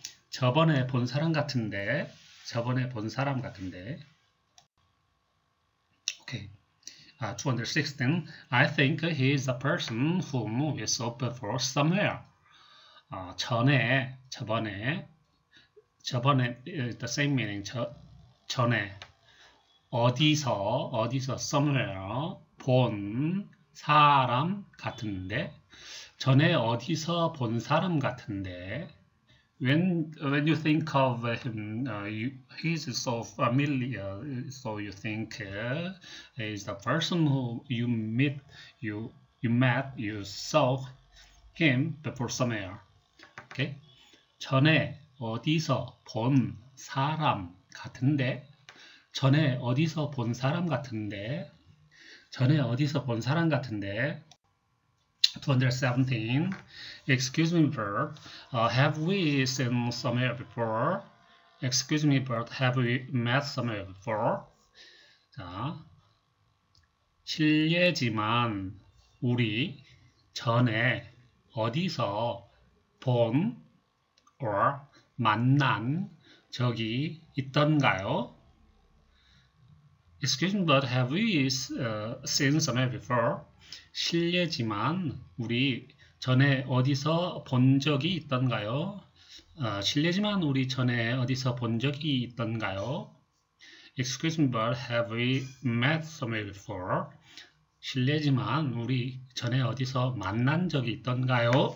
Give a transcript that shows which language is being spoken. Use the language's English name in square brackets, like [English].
[Korean] 저번에 본 사람 같은데, 저번에 본 사람 같은데. [English] Okay. 216. I think he's the person whom we saw before somewhere. [Korean] 전에, 저번에, 저번에, [English] the same meaning, [Korean] 전에, 어디서, [English] somewhere, [Korean] 본, 사람 같은데, 전에 어디서 본 사람 같은데, [English] when you think of him, he's so familiar, so you think he's the person who you saw him before somewhere. Okay? [Korean] 전에 어디서 본 사람 같은데, 전에 어디서 본 사람 같은데, 전에 어디서 본 사람 같은데? [English] 217. Excuse me, but have we seen somewhere before? Excuse me, but have we met somewhere before? [Korean] 자, 실례지만 우리 전에 어디서 본 [English] or [Korean] 만난 적이 있던가요? [English] Excuse me, but have we seen somewhere before? [Korean] 실례지만 우리 전에 어디서 본 적이 있던가요? 실례지만 우리 전에 어디서 본 적이 있던가요? [English] Excuse me, but have we met somewhere before? [Korean] 실례지만 우리 전에 어디서 만난 적이 있던가요?